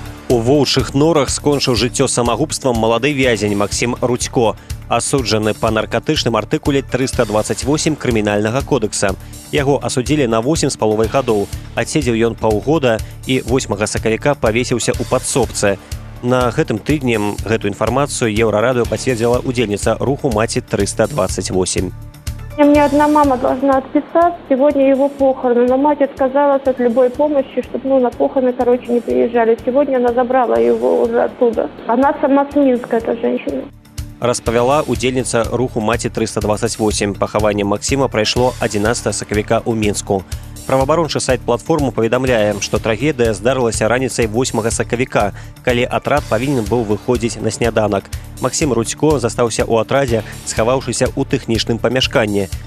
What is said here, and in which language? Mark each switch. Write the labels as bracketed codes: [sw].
[be] У воўчых норах скончыў жыццё самагубствам малады вязень Максім Рудзько, асуджаны па наркатычным артыкуле 328 крымінальнага кодэкса. Яго асудзілі на 8,5 гадоў, адседзеў ён паўгода і 8 сакавіка павесіўся ў падсобцы. На гэтым тыдні гэту інфармацыю Еўрарадыё пацвердзіла ўдзельніца руху «Маці 328». [ru] Мне одна мама должна отписаться, сегодня его похороны, но мать отказалась от любой помощи, чтобы на похороны, не приезжали. Сегодня она забрала его уже оттуда. Она сама с Минска, эта женщина. [be] Распавяла удзельніца руху «Маці 328». Пахаванне Максіма прайшло 11 сакавіка ў Мінску. Правабарончы сайт платформы паведамляе, што трагедыя здарылася раніцай 8 сакавіка, калі атрад павінен быў выходзіць на сняданак. Максім Рудзько застаўся ў атрадзе, схаваўшыся ў тэхнічным памяшканні.